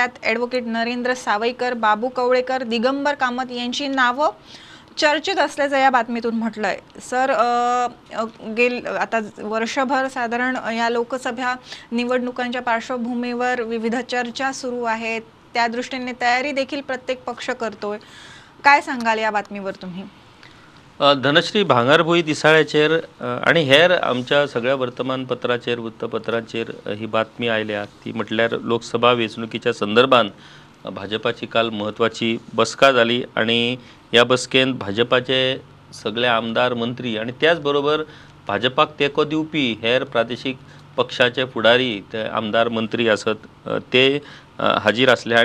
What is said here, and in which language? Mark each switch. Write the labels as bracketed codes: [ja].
[mr] त्यात ॲडव्होकेट नरेंद्र सावईकर, बाबू कवळेकर, दिगंबर कामत यांची नावं चर्चेत असल्याचं या बातमीतून म्हटलंय. सर, गेल आता वर्षभर साधारण या लोकसभा निवडणुकांच्या पार्श्वभूमीवर विविध चर्चा सुरू आहेत, त्या दृष्टीने तयारी देखील प्रत्येक पक्ष करतोय, काय सांगाल या बातमीवर तुम्ही? [kok] धनश्री, भांगरभूई दिसाळ्याचेर आणि हेर आमच्या सगळ्या वर्तमानपत्राचेर वृत्तपत्रांचेर ही बातमी आयल्या. ती म्हटल्यार लोकसभा वेचणुकीच्या संदर्भात भाजपाची काल महत्त्वाची बसका झाली आणि या बसकेन भाजपाचे सगळे आमदार, मंत्री आणि त्याचबरोबर भाजपाक तेको दिवपी हेर प्रादेशिक पक्षाचे फुडारी ते आमदार मंत्री असत ते हाजीर असले.